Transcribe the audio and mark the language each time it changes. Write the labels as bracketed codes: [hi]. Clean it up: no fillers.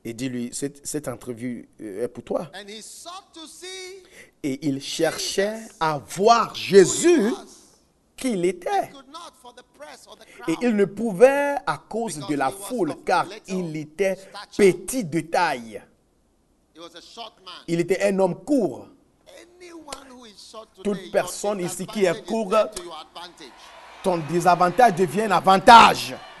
[fr] Et dis-lui, cette interview est pour toi. [en] And he sought to see [fr] et il cherchait à voir Jésus, qui il était. [en] He could not for the press or the crowd. [fr] Et il ne pouvait à cause [en] Because [fr] de la foule, car il était stature. Petit de taille. [en] He was a short man. [fr] Il était un homme court. [en] Anyone who is short today, [fr] toute personne ici qui est court, [en] to your advantage. [fr] Ton désavantage devient un avantage.